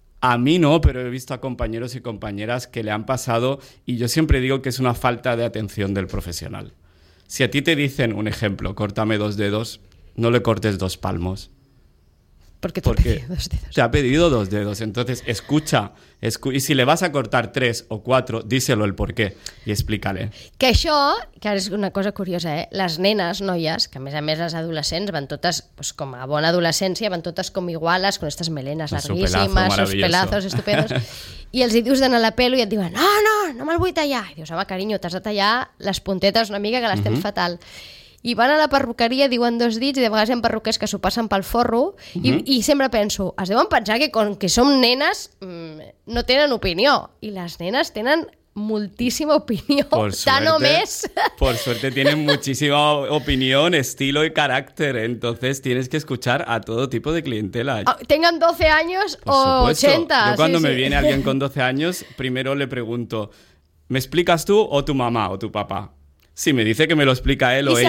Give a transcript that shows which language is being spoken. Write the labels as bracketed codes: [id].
[es] A mí no, pero he visto a compañeros y compañeras que le han pasado, y yo siempre digo que es una falta de atención del profesional. Si a ti te dicen, un ejemplo, córtame dos dedos, no le cortes dos palmos. Porque te ha pedido dos dedos. Te ha pedido dos dedos. Entonces, escucha. Y si le vas a cortar tres o cuatro, díselo el porqué y explícale. [ca] Que això, que ara és una cosa curiosa, eh? Les nenes, noies, que a més les adolescents van totes, pues, com a bona adolescència, van totes com iguales, [es] con estas [ca] melenas larguíssimes, [es] sus pelazos estupendos, [ca] i els hi dius d'anar a la pelo i et diuen, no me'l vull tallar. I dius, home, carinyo, t'has de tallar les puntetes una mica, que les tens fatal. I van a la perruqueria, diuen dos dits, i de vegades hi ha perruquers que s'ho passen pel forro, i sempre penso, es deuen pensar que com que som nenes, no tenen opinió. I les nenes tenen moltíssima opinió, tant o més. [es] Por suerte tienen muchísima opinión, estilo y carácter. Entonces tienes que escuchar a todo tipo de clientela. Tengan 12 años o 80. Yo cuando me viene alguien con 12 años, primero le pregunto, ¿me explicas tú o tu mamá o tu papá? Si me dice que me lo explica él o ella...